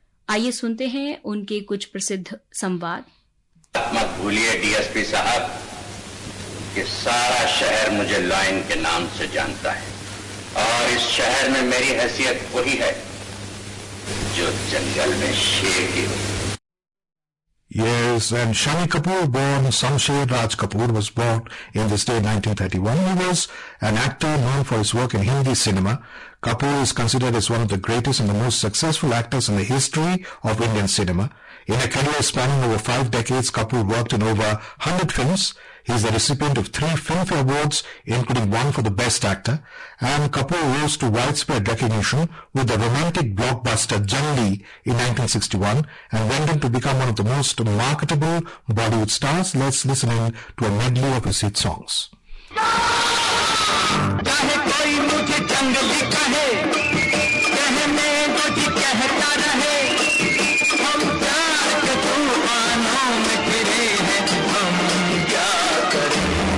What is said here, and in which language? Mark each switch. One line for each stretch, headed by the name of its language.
Hindi: आइए सुनते हैं उनके कुछ प्रसिद्ध संवाद। मत भूलिए डीएसपी साहब कि सारा शहर मुझे लाइन के नाम से जानता है और इस शहर में मेरी हैसियत वही है जो जंगल में शेर की हो।
English: Yes, and Shami Kapoor, born Samsher Raj Kapoor, was born in this day 1931. He was an actor known for his work in Hindi cinema. Kapoor is considered as one of the greatest and the most successful actors in the history of Indian cinema. In a career spanning over 5 decades, Kapoor worked in over 100 films. He is the recipient of 3 Filmfare Awards, including one for the Best Actor. And Kapoor rose to widespread recognition with the romantic blockbuster Jangli in 1961 and went on to become one of the most marketable Bollywood stars. Let's listen in to a medley of his hit songs.
Hindi: कहे कोई मुझे जंगली कहे, कहे मैं तो जी कहता रहे, हम प्यार के तूफानों में फिरे हैं, हम क्या करें।